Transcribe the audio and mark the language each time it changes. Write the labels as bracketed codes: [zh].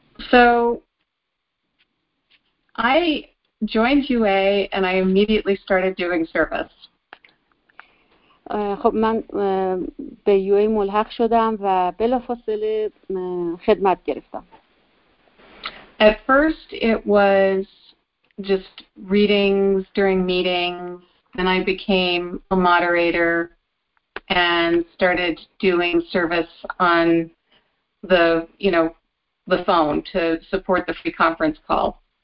[en] So I joined UA and I immediately started doing service. [fa] خب من به UA ملحق شدم و بلافاصله خدمت گرفتم. [en] At first it was just readings during meetings, then I became a moderator and started doing service on the, you know, the phone to support the free conference call.